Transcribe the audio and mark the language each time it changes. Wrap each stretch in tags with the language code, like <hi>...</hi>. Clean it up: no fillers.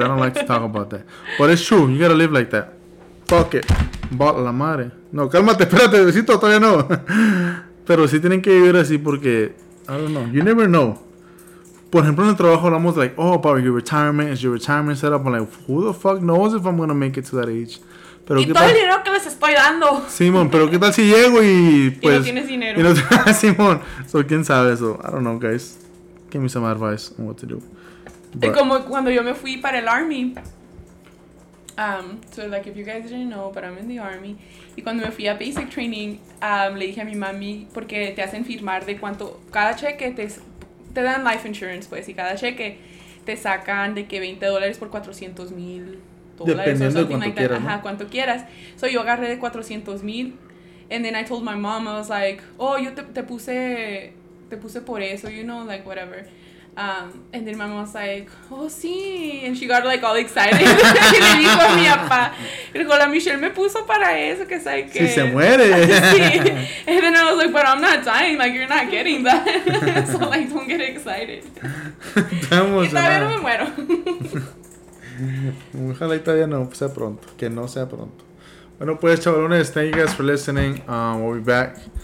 <en>I don't like to talk about that. But it's true. You got to live like that. Fuck it.</en> <es>Bala la madre. No, cálmate, espérate, besito, todavía no. Pero sí tienen que vivir así porque,</es> <en>I don't know, you never know.</en> <es>Por ejemplo, en el trabajo hablamos</es> <en>like, oh, about your retirement, is your retirement set up? I'm like, who the fuck knows if I'm going to make it to that age.</en> <es>Pero y ¿qué todo tal? El dinero que les estoy dando. Simón, pero ¿qué tal si llego y pues? Y no tienes dinero. Y no, Simón, so quién sabe eso.</es> <en>I don't know, guys. Give me some advice on what to do.</en> <es>Es como cuando yo me fui para el Army.</es> <en>So like if you guys didn't know, but I'm in the Army.</en> <es>Y cuando me fui a basic training, le dije a mi mami, porque te hacen firmar de cuánto, cada cheque te dan life insurance, pues, y cada cheque te sacan de que $20 por $400,000. Dependiendo de cuánto quieras, ¿no? Ajá, cuánto quieras.</es> <en>So</en> <es>yo agarré de $400,000,</es> <en>and then I told my mom, I was like, oh,</en> <es>yo te puse por eso,</es> <en>you know, like whatever. And then my mom was like, oh, sí. And she got, like, all excited.</en> <es>Y le dijo a mi papá. Y dijo, la Michelle me puso para eso, que sabe que... Si se muere. Sí.</es> <en>And then I was like, but I'm not dying. Like, you're not getting that. So, like, don't get excited.</en> <es>Estamos. Y todavía no me muero. Ojalá y todavía no sea pronto. Que no sea pronto. Bueno, pues, chavalones,</es> <en>thank you guys for listening. We'll be back.</en>